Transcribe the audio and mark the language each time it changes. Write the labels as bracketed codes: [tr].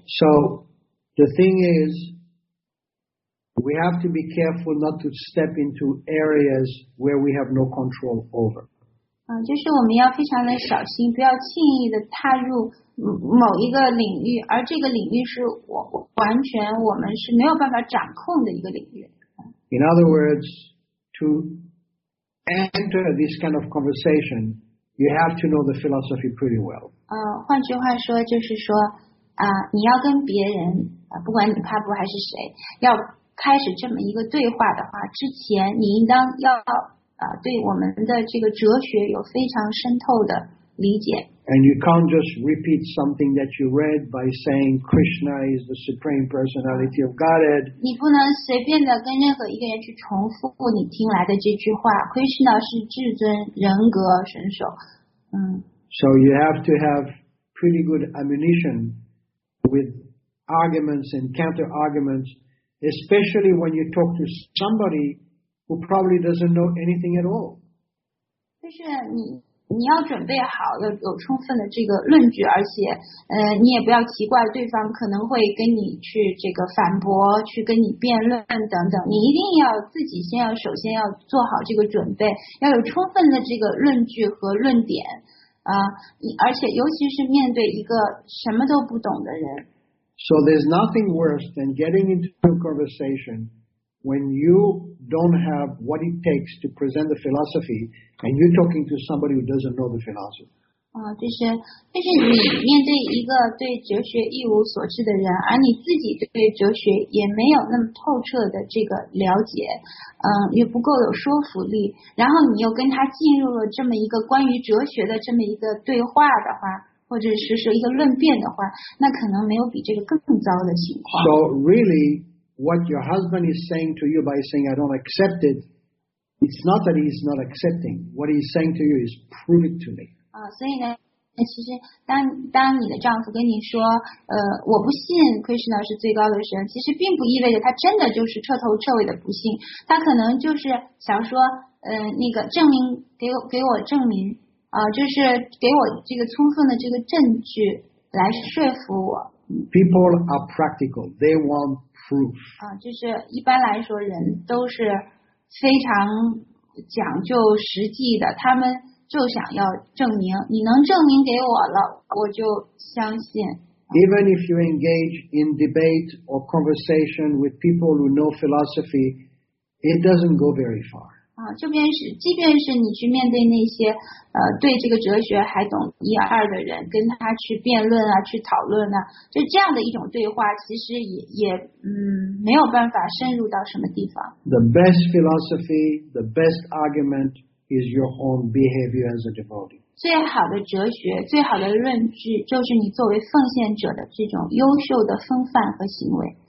[en] So, the thing is, we have to be careful not to step into areas where we have no control over. [zh] 就是我们要非常的小心，不要轻易的踏入某一个领域，而这个领域是我们是没有办法掌控的一个领域。 [en] In other words, to enter this kind of conversation, you have to know the philosophy pretty well. [zh] 换句话说就是说，你要跟别人，不管你帕布还是谁，要开始这么一个对话的话，之前你应当要。对我们的这个哲学有非常深透的理解。 [en] And you can't just repeat something that you read by saying Krishna is the supreme personality of Godhead. [zh] 你不能随便的跟任何一个人去重复你听来的这句话。 Krishna 是至尊人格神首。 [en] So you have to have pretty good ammunition with arguments and counter arguments, especially when you talk to somebody.Who probably doesn't know anything at all. [zh] 就是你你要准备好了有充分的这个论据，而且你也不要奇怪对方可能会跟你去这个反驳，去跟你辩论等等，你一定要自己先要首先要做好这个准备，要有充分的这个论据和论点啊，而且尤其是面对一个什么都不懂的人。 [en] So there's nothing worse than getting into a conversation when youDon't have what it takes to present the philosophy, and you're talking to somebody who doesn't know the philosophy. [zh] 就是你面对一个对哲学一无所知的人，而你自己对哲学也没有那么透彻的这个了解，也不够有说服力。然后你又跟他进入了这么一个关于哲学的这么一个对话的话，或者是说一个论辩的话，那可能没有比这个更糟的情况。 [en] So really. What your husband is saying to you by saying, I don't accept it, it's not that he's not accepting. What he's saying to you is, prove it to me. [zh] 所以呢，其实当你的丈夫跟你说，我不信 Krishna 是最高的神，其实并不意味着他真的就是彻头彻尾的不信，他可能就是想说，那个证明，给我证明，就是给我这个充分的这个证据来说服我。 [en] People are practical. They want proof. [zh] 就是一般来说，人都是非常讲究实际的。他们就想要证明，你能证明给我了，我就相信。 [en] Even if you engage in debate or conversation with people who know philosophy, it doesn't go very far. [zh] 即便是你去面对那些对这个哲学还懂一二的人，跟他去辩论啊，去讨论啊，就这样的一种对话，其实也没有办法深入到什么地方。 [en] The best philosophy, the best argument is your own behavior as a devotee. [zh] 最好的哲学，最好的论据，就是你作为奉献者的这种优秀的风范和行为。